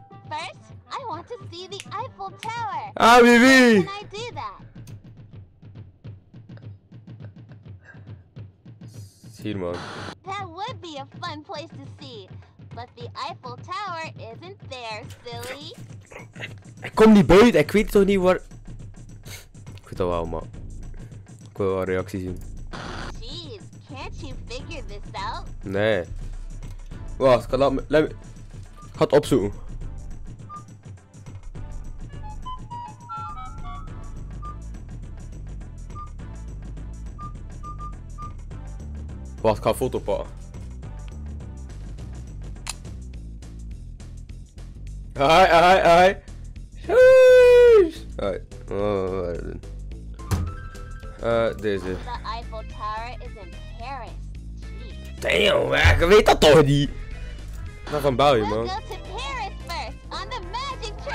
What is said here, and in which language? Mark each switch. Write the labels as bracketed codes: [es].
[en] First, I want to see the Eiffel Tower. Ah, baby. How can I do that? That would be a fun place to see, but the Eiffel Tower isn't there, silly. [nl] Ik kom niet buiten, ik weet toch niet waar... Ik weet dat wel, maar... Ik wil wel een reactie zien. [en] Jeez, can't you figure this out? [nl] Nee. Wacht, ik ga laat me... Ik ga het opzoeken. Wacht, ik ga een foto pakken. Hoi, hoi, hoi. Sheesh. Hoi. Oh, wat is dit? Deze. [en] The Eiffel Tower is in Paris. [nl] Damn, ik weet dat toch niet. Dat van België, man. [en] We'll go to Paris first, on the magic train.